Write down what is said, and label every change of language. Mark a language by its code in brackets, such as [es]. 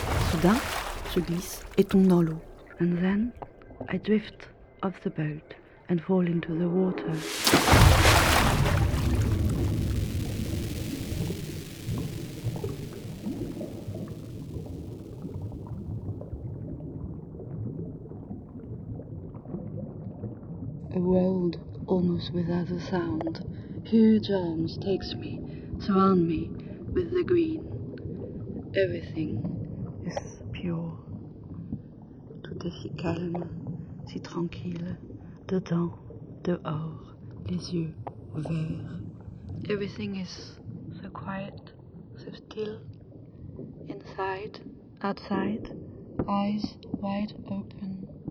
[fr] Soudain, je glisse et tombe dans l'eau. [en] And then, I drift off the boat and fall into the water. World almost without a sound. Huge arms takes me, surround me with the green. Everything is pure. [fr] Tout est si calme, si tranquille. Dedans, dehors, les yeux ouverts. [en] Everything is so quiet, so still. Inside, outside, eyes wide open.